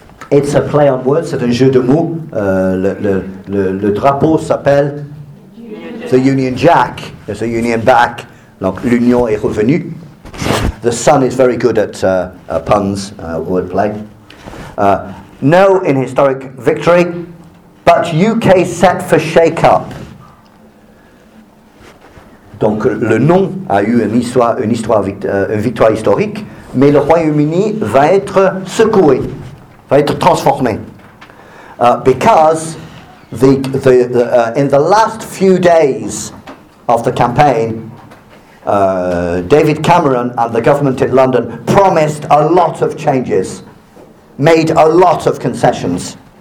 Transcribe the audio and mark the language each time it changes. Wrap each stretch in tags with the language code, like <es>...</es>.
<en>It's a play on words,</en> <fr>c'est un jeu de mots. Le drapeau s'appelle the Union Jack.</fr> <en>There's a Union back.</en> <fr>Donc, l'Union est revenue.</fr> <en>The Sun is very good at puns, wordplay. No in historic victory, but UK set for shake-up.</en> <fr>Donc, le nom a eu une victoire historique, mais le Royaume-Uni va être secoué.</fr> <en>Because in the last few days of the campaign, David Cameron and the government in London promised a lot of changes, made a lot of concessions.</en>